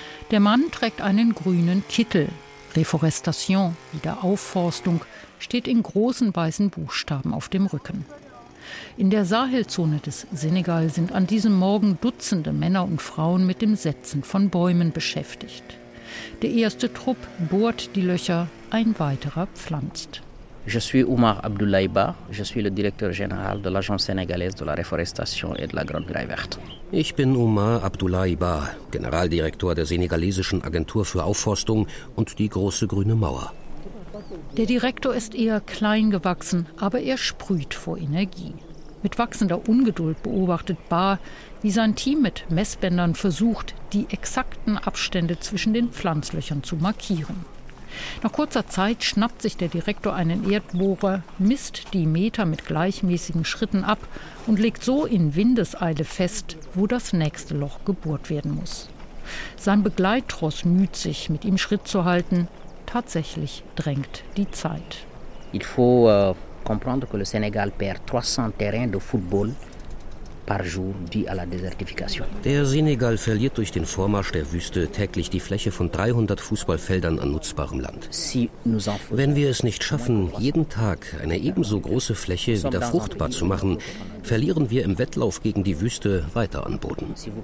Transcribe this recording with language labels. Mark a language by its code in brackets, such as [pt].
[de] Der Mann trägt einen grünen Kittel. Reforestation, Wiederaufforstung, steht in großen weißen Buchstaben auf dem Rücken. In der Sahelzone des Senegal sind an diesem Morgen Dutzende Männer und Frauen mit dem Setzen von Bäumen beschäftigt. Der erste Trupp bohrt die Löcher, ein weiterer pflanzt. [fr] Je suis Oumar Abdoulaye Ba, je suis le directeur général de l'Agence sénégalaise de la Reforestation et de la Grande Graille Verte. [de] Ich bin Oumar Abdoulaye Ba, Generaldirektor der senegalesischen Agentur für Aufforstung und die Große Grüne Mauer. Der Direktor ist eher klein gewachsen, aber er sprüht vor Energie. Mit wachsender Ungeduld beobachtet Ba, wie sein Team mit Messbändern versucht, die exakten Abstände zwischen den Pflanzlöchern zu markieren. Nach kurzer Zeit schnappt sich der Direktor einen Erdbohrer, misst die Meter mit gleichmäßigen Schritten ab und legt so in Windeseile fest, wo das nächste Loch gebohrt werden muss. Sein Begleittross müht sich, mit ihm Schritt zu halten. Tatsächlich drängt die Zeit. [fr] Il faut comprendre que le Sénégal perd 300 terrains de football par jour dû à la désertification. [de] Der Senegal verliert durch den Vormarsch der Wüste täglich die Fläche von 300 Fußballfeldern an nutzbarem Land. Wenn wir es nicht schaffen, jeden Tag eine ebenso große Fläche wieder fruchtbar zu machen, verlieren wir im Wettlauf gegen die Wüste weiter an Boden.